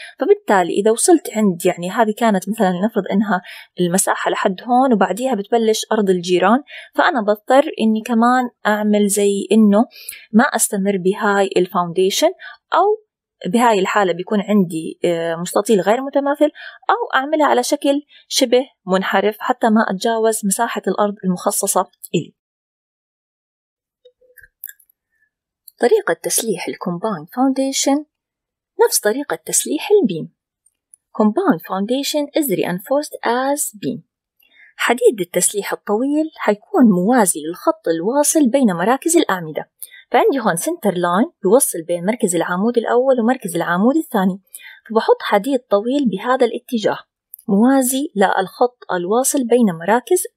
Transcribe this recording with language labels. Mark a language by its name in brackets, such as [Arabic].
[Arabic] فبالتالي إذا وصلت عند، يعني هذه كانت مثلا نفرض إنها المساحة لحد هون وبعديها بتبلش أرض الجيران، فأنا بضطر إني كمان أعمل زي إنه ما أستمر بهاي الفاونديشن، أو بهاي الحالة بيكون عندي مستطيل غير متماثل، أو أعملها على شكل شبه منحرف حتى ما أتجاوز مساحة الأرض المخصصة إلي. طريقة تسليح Combined Foundation نفس طريقة تسليح البيم. [English] Combined Foundation is reinforced as beam. [Arabic] حديد التسليح الطويل هيكون موازي للخط الواصل بين مراكز الأعمدة. فعندي هون سنتر لاين بيوصل بين مركز العمود الأول ومركز العمود الثاني، فبحط حديد طويل بهذا الاتجاه موازي للخط الواصل بين مراكز